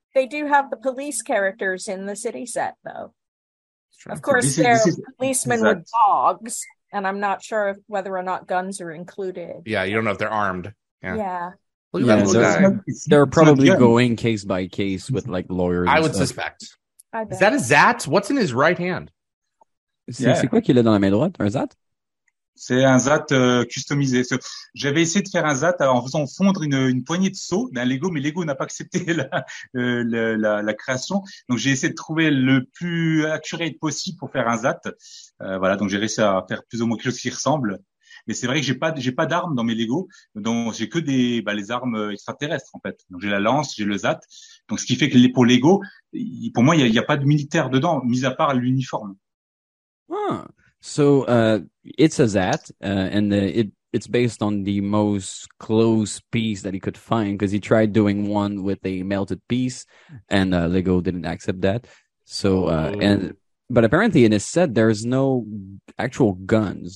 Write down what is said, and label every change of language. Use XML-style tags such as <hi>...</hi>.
<en>They do have the police characters in the city set, though. Of course, they're policemen with dogs, and I'm not sure whether or not guns are included. Yeah, you don't know if they're armed. Yeah. Look at that little guy. They're probably going case by case with, like, lawyers. I would suspect. Is that a Zat? What's in his right hand?</en> <fr>C'est quoi qu'il a dans la main droite, un Zat? C'est un ZAT customisé. J'avais essayé de faire un ZAT en faisant fondre une poignée de seaux d'un Lego, mais Lego n'a pas accepté la création. Donc, j'ai essayé de trouver le plus accurate possible pour faire un ZAT. Voilà, donc j'ai réussi à faire plus ou moins quelque chose qui ressemble. Mais c'est vrai que j'ai pas d'armes dans mes Lego. Donc, j'ai que les armes extraterrestres, en fait. Donc, j'ai la lance, j'ai le ZAT. Donc, ce qui fait que pour Lego, pour moi, il n'y a pas de militaire dedans, mis à part l'uniforme.</fr> <en>So it's a Zat, and it's based on the most close piece that he could find, because he tried doing one with a melted piece, and Lego didn't accept that. So but apparently in his set there's no actual guns.</en>